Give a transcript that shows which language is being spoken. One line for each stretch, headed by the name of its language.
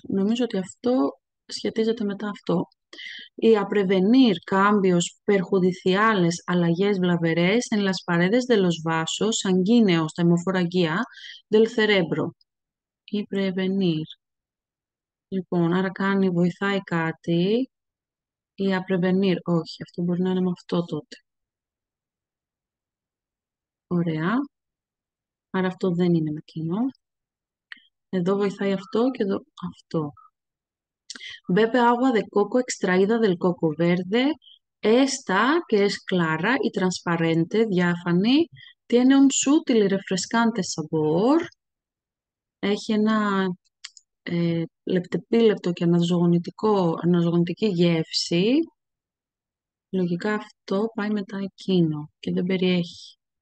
Greek: Νομίζω ότι αυτό σχετίζεται μετά αυτό.
Spanish: Y a prevenir cambios perjudiciales,
Greek: αλλαγές βλαβερές,
Spanish: en las paredes de los vasos, sanguíneos,
Greek: τα αιμοφοραγεία,
Spanish: del cerebro. Y prevenir.
Greek: Λοιπόν, άρα κάνει, βοηθάει κάτι.
Spanish: Y a prevenir.
Greek: Όχι, αυτό μπορεί να είναι με αυτό τότε. Ωραία. Άρα αυτό δεν είναι με εκείνο. Εδώ βοηθάει αυτό και εδώ αυτό.
Spanish: Bebe agua de coco extraída del coco verde. Esta, que es clara y transparente,
Greek: διάφανη,
Spanish: tiene un sutil y refrescante sabor.
Greek: Έχει ένα λεπτεπίλεπτο και αναζωογονητική γεύση. Λογικά αυτό πάει μετά εκείνο και δεν περιέχει.